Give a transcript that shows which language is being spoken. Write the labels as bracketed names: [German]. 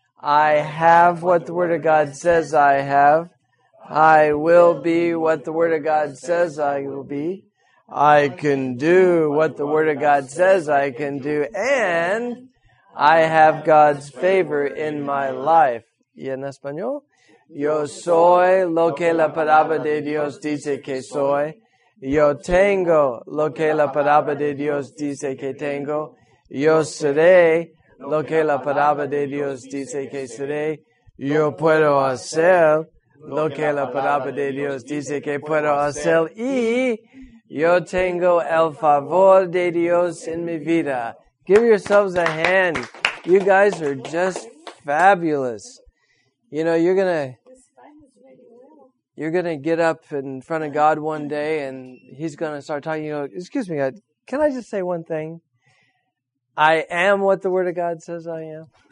[English] I have what the Word of God says I have. I will be what the Word of God says I will be. I can do what the Word of God says I can do. And I have God's favor in my life. [Spanish] ¿Y en español? Yo soy lo que la palabra de Dios dice que soy. Yo tengo lo que la palabra de Dios dice que tengo. Yo seré lo que la palabra de Dios dice que seré. Yo puedo hacer lo que la palabra de Dios dice que puedo hacer. Y yo tengo el favor de Dios en mi vida. [English] Give yourselves a hand. You guys are just fabulous. You know, you're gonna get up in front of God one day and He's gonna start talking. You know, excuse me, God, can I just say one thing? I am what the Word of God says I am.